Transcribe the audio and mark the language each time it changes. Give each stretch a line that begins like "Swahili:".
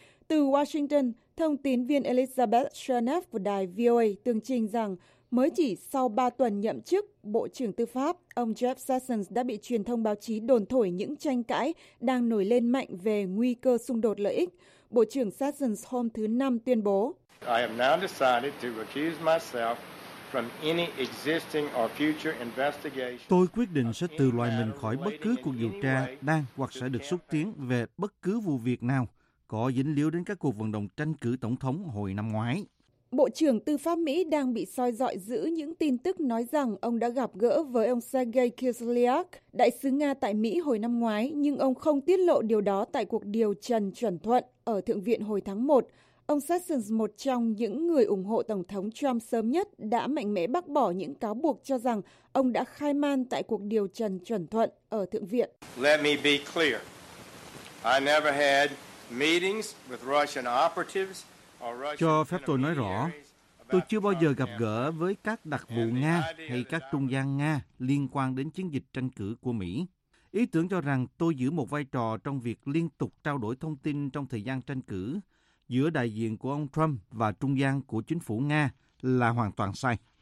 Vietnamese: Từ Washington, thông tín viên Elizabeth Chernoff của đài VOA tường trình rằng mới chỉ sau 3 tuần nhậm chức Bộ trưởng Tư pháp, ông Jeff Sessions đã bị truyền thông báo chí đồn thổi những tranh cãi đang nổi lên mạnh về nguy cơ xung đột lợi ích. Bộ trưởng Sessions hôm thứ Năm tuyên bố:
English: I have now decided to recuse myself from any existing or future investigation.
Vietnamese: Tôi quyết định sẽ tự loại mình khỏi bất cứ cuộc điều tra đang hoặc sẽ được xúc tiến về bất cứ vụ việc nào có dính líu đến các cuộc vận động tranh cử tổng thống hồi năm ngoái. Bộ trưởng Tư pháp Mỹ đang bị soi rọi giữa những tin tức nói rằng ông đã gặp gỡ với ông Sergei Kislyak, đại sứ Nga tại Mỹ hồi năm ngoái, nhưng ông không tiết lộ điều đó tại cuộc điều trần chuẩn thuận ở Thượng viện hồi tháng 1. Ông Sessions, một trong những người ủng hộ Tổng thống Trump sớm nhất, đã mạnh mẽ bác bỏ những cáo buộc cho rằng ông đã khai man tại cuộc điều trần chuẩn thuận ở Thượng viện.
English: Let me be clear. I never had meetings with Russian operatives.
Vietnamese: Cho phép tôi nói rõ, tôi chưa bao giờ gặp gỡ với các đặc vụ Nga hay các trung gian Nga liên quan đến chiến dịch tranh cử của Mỹ. Ý tưởng cho rằng tôi giữ một vai trò trong việc liên tục trao đổi thông tin trong thời gian tranh cử giữa đại diện của ông Trump và trung gian của chính phủ Nga là hoàn toàn sai.